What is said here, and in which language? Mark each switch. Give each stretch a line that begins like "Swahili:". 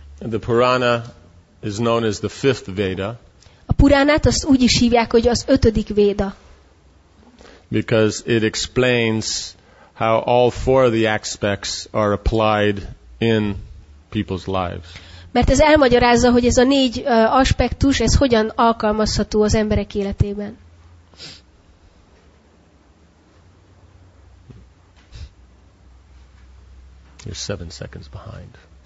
English: The Purana is known as the fifth Veda.
Hungarian: A Puránát azt úgy is hívják, hogy az ötödik Veda.
English: Because it explains how all four of the aspects are applied in people's lives.
Hungarian: Mert ez elmagyarázza, hogy ez a négy aspektus, ez hogyan alkalmazható az emberek életében.
English: You're 7 seconds behind.